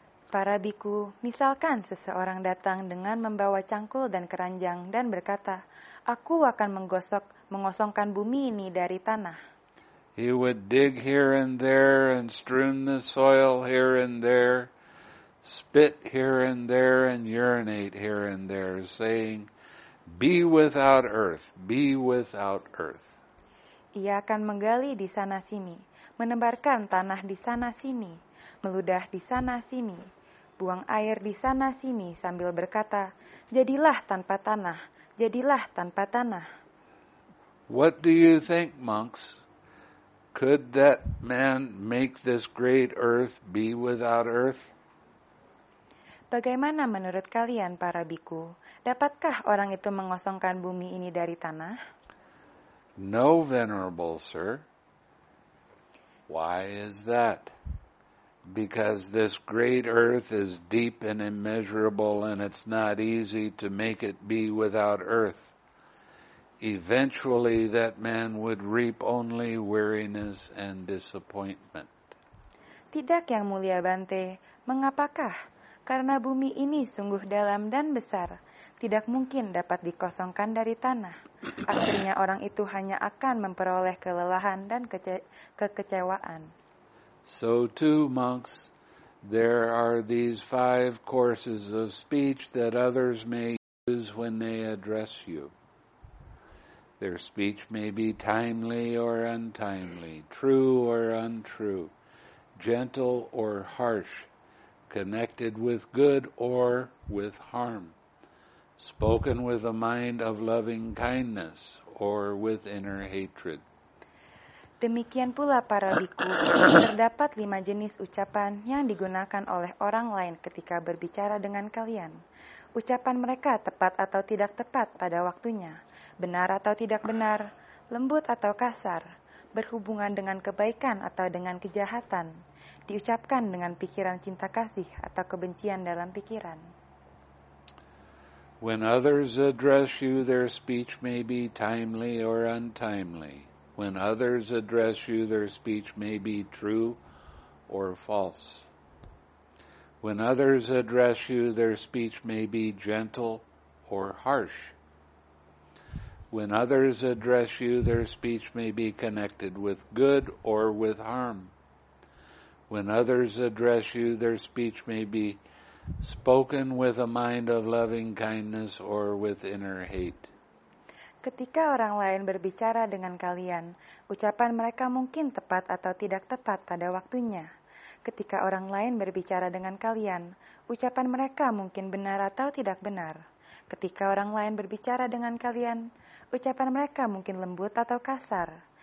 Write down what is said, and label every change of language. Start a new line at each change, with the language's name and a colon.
Indonesian: Para biku, misalkan seseorang datang dengan membawa cangkul dan keranjang dan berkata, aku akan mengosongkan bumi ini dari tanah.
English: He would dig here and there and strewn the soil here and there, spit here and there and urinate here and there, saying, be without earth, be without earth.
Indonesian: Ia akan menggali di sana sini, menebarkan tanah di sana sini, meludah di sana sini, buang air di sana sini sambil berkata, jadilah tanpa tanah, jadilah tanpa tanah.
English: What do you think, monks? Could that man make this great earth be without earth?
Indonesian: Bagaimana menurut kalian, para biku? Dapatkah orang itu mengosongkan bumi ini dari tanah?
English: No, venerable sir. Why is that? Because this great earth is deep and immeasurable, and it's not easy to make it be without earth. Eventually, that man would reap only weariness and disappointment.
Indonesian: Tidak, Yang Mulia Bante, mengapakah? Karena bumi ini sungguh dalam dan besar, tidak mungkin dapat dikosongkan dari tanah. Akhirnya, orang itu hanya akan memperoleh kelelahan dan kekecewaan.
English: So too, monks, there are these five courses of speech that others may use when they address you. Their speech may be timely or untimely, true or untrue, gentle or harsh, connected with good or with harm, spoken with a mind of loving kindness or with inner hatred.
Indonesian: Demikian pula para biku, terdapat lima jenis ucapan yang digunakan oleh orang lain ketika berbicara dengan kalian. Ucapan mereka tepat atau tidak tepat pada waktunya, benar atau tidak benar, lembut atau kasar, berhubungan dengan kebaikan atau dengan kejahatan, diucapkan dengan pikiran cinta kasih atau kebencian dalam pikiran.
English: When others address you, their speech may be timely or untimely. When others address you, their speech may be true or false. When others address you, their speech may be gentle or harsh. When others address you, their speech may be connected with good or with harm. When others address you, their speech may be spoken with a mind of loving kindness or with inner hate.
Indonesian: Ketika orang lain berbicara dengan kalian, ucapan mereka mungkin tepat atau tidak tepat pada waktunya. Ketika orang lain berbicara dengan kalian, ucapan mereka mungkin benar atau tidak benar. Ketika orang lain berbicara dengan kalian, ucapan mereka mungkin lembut atau kasar.